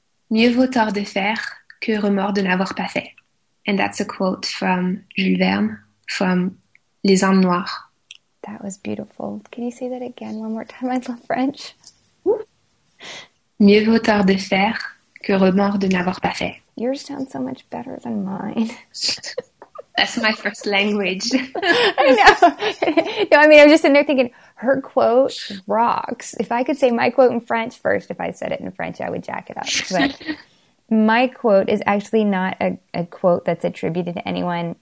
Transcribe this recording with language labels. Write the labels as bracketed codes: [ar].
[fr] Mieux vaut tard de faire que remords de n'avoir pas fait. [en] And that's a quote from Jules Verne from Les Hommes Noirs. That was beautiful. Can you say that again one more time? I love French. [fr] Mieux vaut tard de faire que remords de n'avoir pas fait. [en] Yours sounds so much better than mine. That's my first language. I know. No, I mean, I'm just sitting there thinking, her quote rocks. If I could say my quote in French first, if I said it in French, I would jack it up. But my quote is actually not a quote that's attributed to anyone.